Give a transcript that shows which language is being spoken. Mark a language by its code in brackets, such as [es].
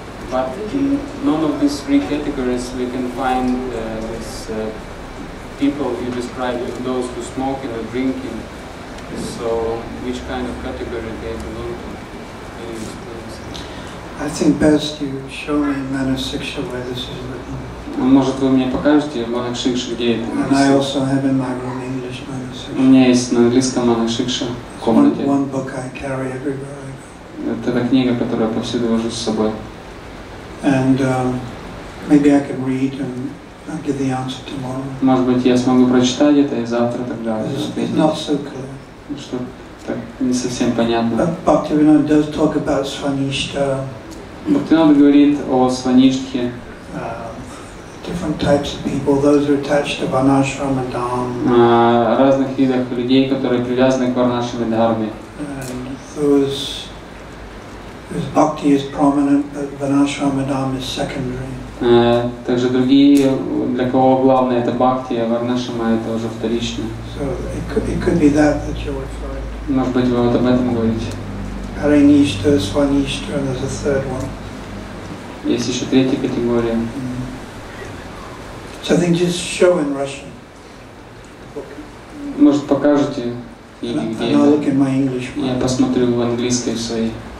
[en] But in none of these three categories we can find these people you described, those who smoke and drinking. So which kind of category they belong to? I think best you show me Manasiksha where this is written. [ru] Может вы мне покажете Манасикшу, где это? [en] And I also have in my room English Manasiksha. [ru] У меня есть на английском Манасикша в комнате. [en] One book I carry everywhere I go. [ru] Это та книга, которую я повсюду вожу с собой. [en] And maybe I could read and I'll give the answer tomorrow. [ru] Может быть, я смогу прочитать это и завтра тогда. [en] It's not so clear. [ru] Что так не совсем понятно. [en] Bhaktivinoda does talk about Svanishta. [ru] Бхактинада говорит о Сванишке. [en] Different types of people, those who are attached to Varnashram and Dham. [ru] Разных видах людей, которые привязаны к Варнашрам и Дхарме. [en] Whose bhakti is prominent, but Varnashram and Dham is secondary. [ru] Также другие, для кого главное это бхакти, а варнашрама это уже вторично. [en] So it could be that you're referring. [ru] Может быть, вы вот об этом говорите. [en] Hare Krishna, Swanishta, and there's a third one. [ru] Есть еще третья категория. [en] So I think just show in Russian. [ru] Может, покажете? [en] And I'll look in my English book. [ru] Я посмотрю в английской своей.